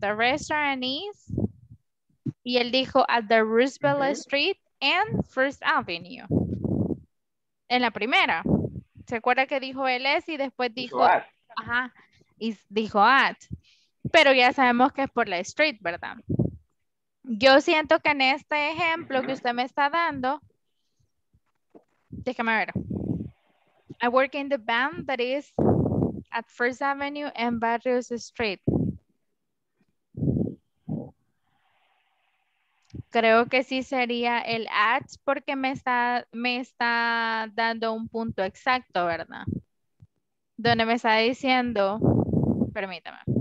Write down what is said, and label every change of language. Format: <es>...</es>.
<en>The restaurant is,</en> <es>y él dijo</es> <en>at the Roosevelt Street and First Avenue.</en> <es>En la primera. ¿Se acuerda que dijo él es y después dijo? Dijo at. Ajá, y dijo at. Pero ya sabemos que es por la street, ¿verdad? Yo siento que en este ejemplo que usted me está dando, déjame ver.</es> <en>I work in the band that is at First Avenue and Barrios Street.</en> <es>Creo que sí sería el at porque me está dando un punto exacto, ¿verdad? Donde me está diciendo, permítame.</es>